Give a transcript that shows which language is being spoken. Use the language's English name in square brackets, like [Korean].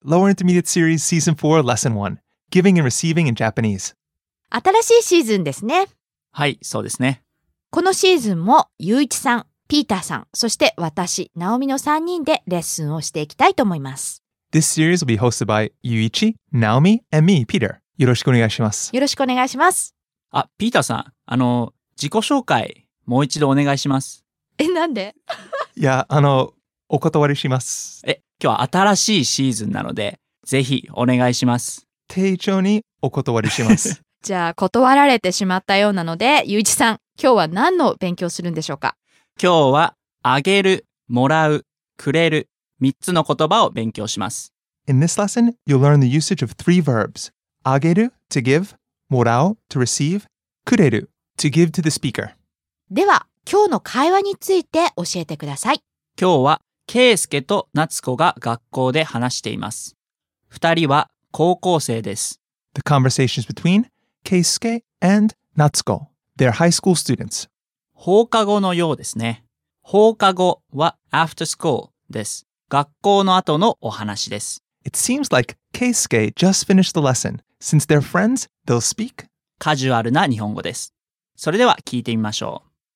[English] Lower Intermediate Series Season 4 Lesson 1 Giving and Receiving in Japanese. [Japanese] 新しいシーズンですね。はい、そうですね。このシーズンもユイチさん、ピーターさん、そして私、ナオミの3人でレッスンをしていきたいと思います。 [English] This series will be hosted by ユイチ、ナオミ and me, Peter. [Japanese] よろしくお願いします。よろしくお願いします。あ、ピーターさん、自己紹介もう一度お願いします。え、なんで？いや、お断りします。え、今日は新しいシーズンなのでぜひお願いします。丁重にお断りします。じゃあ断られてしまったようなので、ゆういちさん、今日は何の勉強するんでしょうか？今日はあげる、もらう、くれる、3つの言葉を勉強します。 [English] In this lesson, you'll learn the usage of three verbs: あげる to give, もらう to receive, くれる to give to the speaker. [Japanese] では今日の会話について教えてください。今日はケイスケと夏子が学校で話しています。二人は高校生です。 [English] The conversation is between ケイスケ and 夏子. They're high school students. [Japanese] 放課後のようですね。放課後は [English] after school [Japanese] です。学校の後のお話です。 [English] It seems like ケイスケ just finished the lesson. Since they're friends, they'll speak. [Japanese] カジュアルな日本語です。それでは聞いてみましょう。